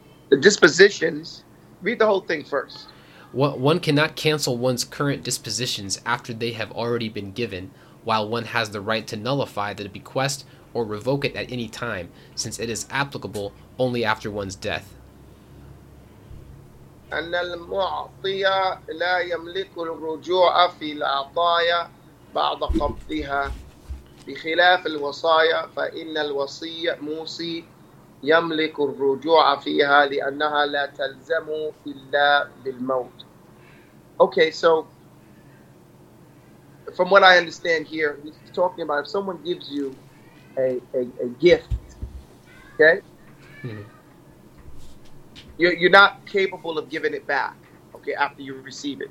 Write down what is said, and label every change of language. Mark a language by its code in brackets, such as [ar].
[en] The dispositions? Read the whole thing first. One cannot cancel one's current dispositions after they have already been given, while one has the right to nullify the bequest or revoke it at any time, since it is applicable only after one's death. [ar] أن المعطي لا يملك الرجوع في العطايا بعد قبضها بخلاف الوصايا فإن الوصي موصي يملك الرجوع فيها لأنها لا تلزم إلا بالموت. [en] Okay, so from what I understand here, he's talking about if someone gives you a gift, okay? You're not capable of giving it back, okay, after you receive it.